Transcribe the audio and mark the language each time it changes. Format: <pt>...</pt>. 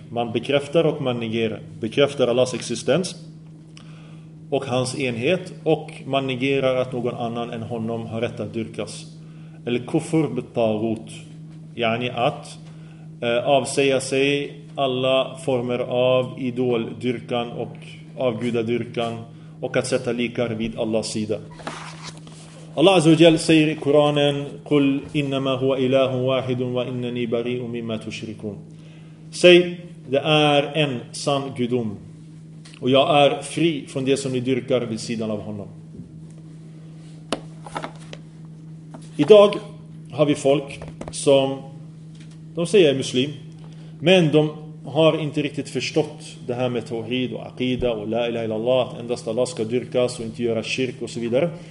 <sv>Man bekräftar och man negerar. Bekräftar Allahs existens och hans enhet, och man negerar att någon annan än honom har rätt att dyrkas. Eller kufur bittagut. Yani att avsäga sig alla former av idoldyrkan och avgudadyrkan, och att sätta likar vid Allahs sida.</sv> <ar>Allah azza wa jalla</ar> <sv>säger i Koranen,</sv> <ar>قُلْ إِنَّمَا هُوَ إِلَهٌ وَاحِدٌ وَإِنَّنِي بَرِيءٌ مِمَّا تُشْرِكُونَ.</ar> <sv>Säg, det är en sann gudom och jag är fri från det som ni dyrkar vid sidan av honom. Idag har vi folk som de säger är muslim, men de har inte riktigt förstått det här med tawhid och aqida och la ilaha illallah, att endast Allah ska dyrkas och inte göra kyrk och så vidare.</sv>